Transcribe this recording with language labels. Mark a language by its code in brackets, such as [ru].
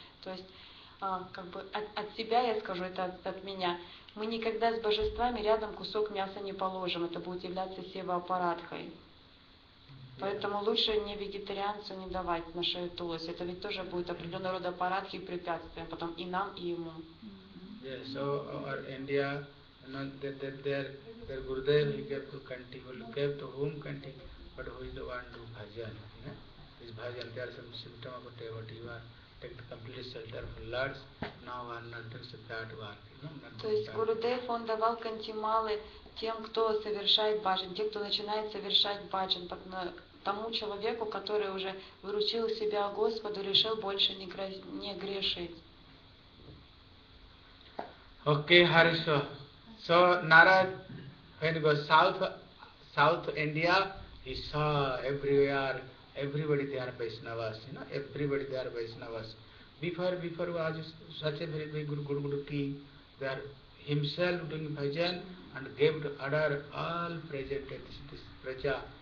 [ru] То есть, как бы от себя я скажу, это от меня. Мы никогда с божествами рядом кусок мяса не положим. Это будет являться сева-аппаратхой. Поэтому лучше не вегетарианцу не давать на шею тулось. Это ведь тоже будет определенного рода аппаратхи и препятствия потом и нам, и ему. [en] Yeah, so our India, you know, their Gurudev, he gave to Kanti, he gave to whom Kanti, but who is the one to bhajan? Yeah? Is bhajan, there are some symptoms of devotee, you are take the complete shelter of lords, now one nothing is a bad one. [ru] То есть Гурудев, он давал кантималы тем, кто совершает баджан, тем, кто начинает совершать баджан, тому человеку, который уже вручил себя Господу, решил больше не грешить. Окей, хорошо. [en] So, Narad, when he goes south India, he saw everybody they are Vaishnavas, you know, everybody they are Vaishnavas. Before was such a very big Guru king, that himself doing bhajan and gave to order all present at this praja.